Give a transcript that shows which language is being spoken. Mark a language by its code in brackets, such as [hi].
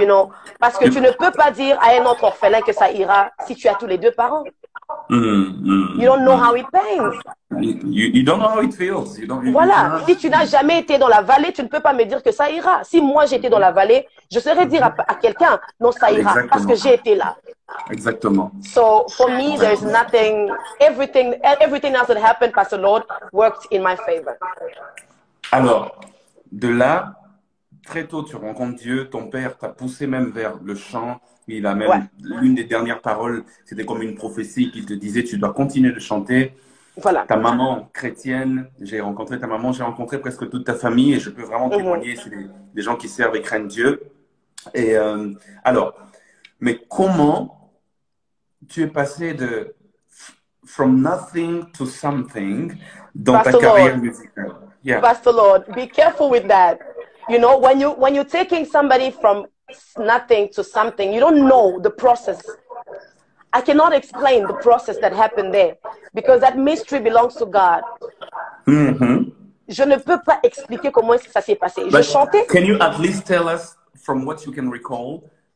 [en] You know, [fr] parce que tu ne peux pas dire à un autre orphelin que ça ira si tu as tous les deux parents. [en] You don't know how it pains. You don't know how it feels. [fr] Voilà. Si tu n'as jamais été dans la vallée, tu ne peux pas me dire que ça ira. Si moi j'étais dans la vallée, je saurais dire à quelqu'un, non, ça ira, exactement. Parce que j'ai été là. Exactement. [en] So for me, there's nothing. Everything else that happened, Pastor Lord, worked in my favor. [fr] Alors, de là, très tôt, tu rencontres Dieu. Ton père t'a poussé même vers le chant. Il a même l'une des dernières paroles. C'était comme une prophétie qu'il te disait, tu dois continuer de chanter. Voilà. Ta maman chrétienne, j'ai rencontré ta maman. J'ai rencontré presque toute ta famille et je peux vraiment témoigner. C'est des gens qui servent et craignent Dieu. Et alors. Mais comment tu es passé de [en] from nothing to something [fr] dans [en] Pastor [fr] ta carrière musicale? [en] Yeah. Pastor Lord, be careful with that. You know, when you're taking somebody from nothing to something, you don't know the process. I cannot explain the process that happened there because that mystery belongs to God. [fr] Je ne peux pas expliquer comment ça s'est passé. [en] But [fr] je chantais. [en] Can you at least tell us from what you can recall?